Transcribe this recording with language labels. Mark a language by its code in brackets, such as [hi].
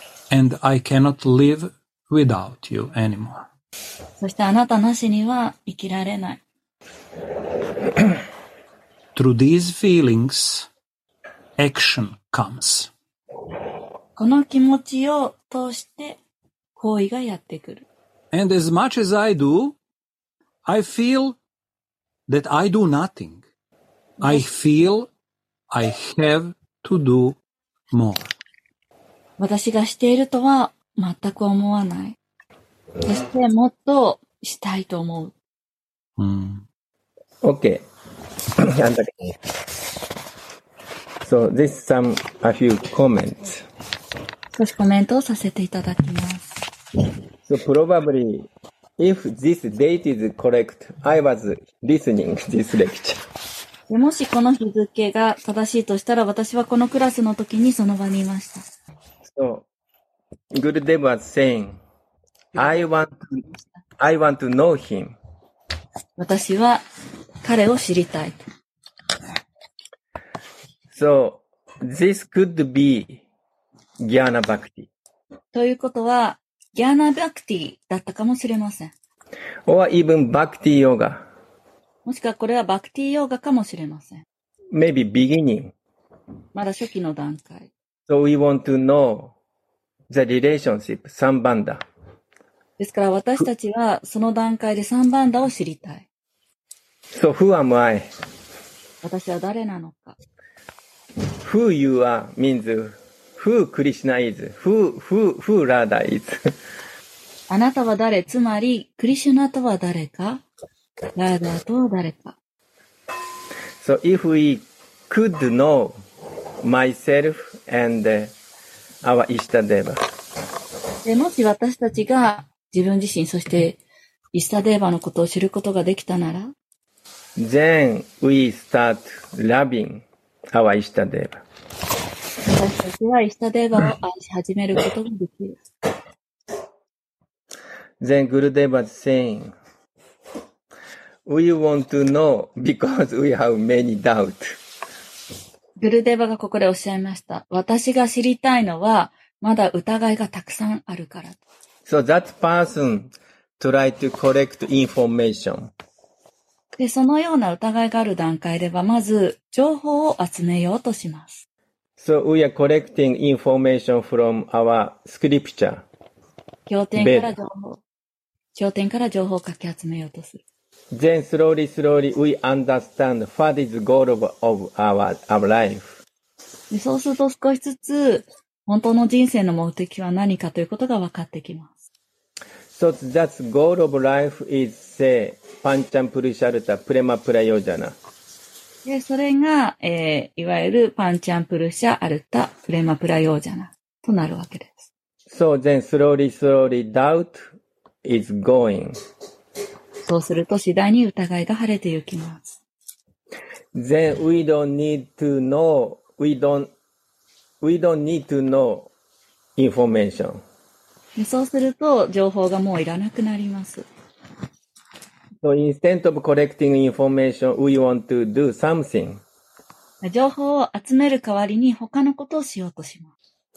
[en] And I cannot live without you anymore. [ja] そしてあなたなしには生きられない。 [en] Through these feelings, action comes. [ja] この気持ちを通して行為がやってくる。 [en] And as much as I do, I feel that I do nothing. I feel I have to do more. [ja] 私がしているとは全く思わない。そしてもっとしたいと思う。 [en] Okay. So this is a few comments. [ja] 少しコメントをさせていただきます。 [en] So probably, if this date is correct, I was listening this lecture. [ja] もしこの日付が正しいとしたら、私はこのクラスの時にその場にいました。 [en] So, Gurudev was saying, I want to know him. [ja] 私は彼を知りたい。 [en] So, this could be Gyana Bhakti. [ja] ということは、ギャーナバクティだったかもしれません。 [en] Or even バクティヨガ。 [ja] もしくはこれはバクティヨガかもしれません。 [en] Maybe beginning. [ja] まだ初期の段階。 [en] So we want to know the relationship, サンバンダ。 [ja] ですから私たちはその段階でサンバンダを知りたい。 [en] So who am I? [ja] 私は誰なのか。 [en] Who you are means who Krishna is, who Radha is. [ja] あなたは誰？つまり、クリシュナとは誰か？ラーダとは誰か？ [en] So if we could know myself and our Ishtadeva. [ja] でもし私たちが自分自身そしてイスタデーバのことを知ることができたなら、 [en] Then we start loving our Ishtadeva. [ja] 私たちはイスタデーバを愛し始めることができる。 [en] Then Gurudeva is saying, we want to know because we have many doubts. [ja] Gurudeva がここでおっしゃいました。私が知りたいのは、まだ疑いがたくさんあるから。 [en] So that person tried to collect information. [ja] で、そのような疑いがある段階では、まず情報を集めようとします。 [en] So we are collecting information from our scripture. [ja] 経典から情報。経典から情報をかき集めようとする。 [en] Then slowly, slowly we understand what is the goal of our life. [ja] で、そうすると少しずつ本当の人生の目的は何かということが分かってきます。 [en] So that's goal of life is say, Panchan Purusharta Prema Prayojana. [ja] で、それが、いわゆる Panchan Purusharta Prema Prayojana となるわけです。 [en] So then slowly, slowly doubt is going. [ja] そうすると次第に疑いが晴れてゆきます。 [en] Then we don't need to know, we don't need to know information. [ja] そうすると情報がもういらなくなります。 [en] So instead of collecting information, we want to do something. [ja] 情報を集める代わりに他のことをしようとします。